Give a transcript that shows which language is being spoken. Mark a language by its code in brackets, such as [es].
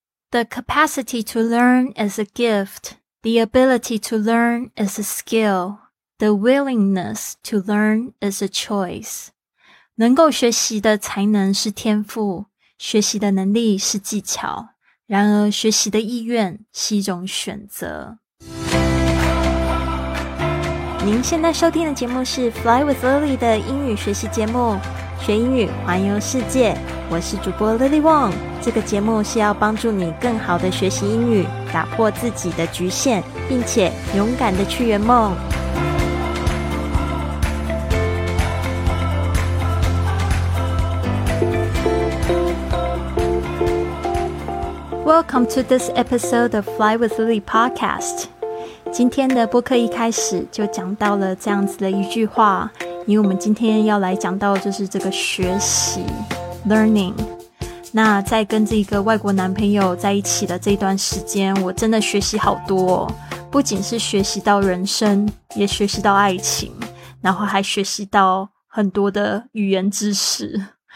[en] The capacity to learn is a gift. The ability to learn is a skill. The willingness to learn is a choice. [zh] 能够学习的才能是天赋，学习的能力是技巧。然而，学习的意愿是一种选择。您现在收听的节目是 Fly with Lily 的英语学习节目，学英语环游世界。我是主播 Lily Wong。这个节目是要帮助你更好的学习英语，打破自己的局限，并且勇敢的去圆梦。 [en] Welcome to this episode of Fly with Lily podcast. [zh] 今天的播客一开始就讲到了这样子的一句话，因为我们今天要来讲到的就是这个学习 learning。那在跟这个外国男朋友在一起的这段时间，我真的学习好多，不仅是学习到人生，也学习到爱情，然后还学习到很多的语言知识。